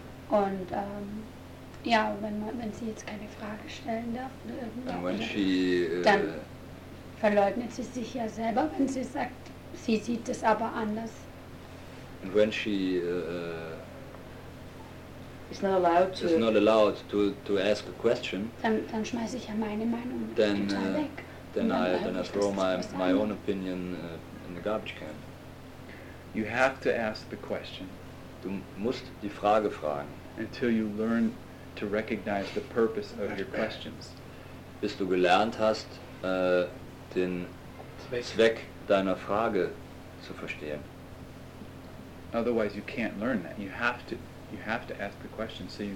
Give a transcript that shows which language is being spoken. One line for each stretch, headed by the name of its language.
German: Und wenn sie jetzt keine Frage stellen darf, verleugnet sie sich ja selber, wenn sie sagt, sie sieht es aber anders.
English: And when she is not allowed to ask a question,
German: dann schmeiße ich ja meine Meinung total weg.
English: Then I throw my own opinion in the garbage can. You have to ask the question.
German: Du musst die Frage fragen.
English: Until you learn to recognize the purpose of your questions.
German: Bis du gelernt hast, den Zweck deiner Frage zu verstehen.
English: Otherwise you can't learn that. You have to ask the question so you